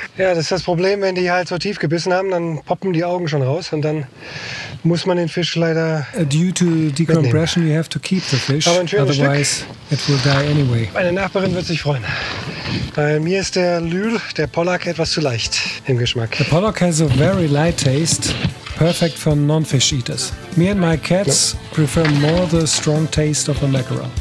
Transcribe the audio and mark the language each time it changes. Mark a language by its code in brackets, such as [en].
[de] Ja, das ist das Problem, wenn die halt so tief gebissen haben, dann poppen die Augen schon raus und dann muss man den Fisch leider. [en] Due to decompression, you have to keep the fish. [de] Aber ein schönes [en] otherwise, [de] Stück. [en] It will die anyway. [de] Meine Nachbarin wird sich freuen. Bei mir ist der Lure, der Pollack, etwas zu leicht im Geschmack. [en] The Pollack has a very light taste, perfect for non-fish eaters. Me and my cats prefer more the strong taste of a mackerel.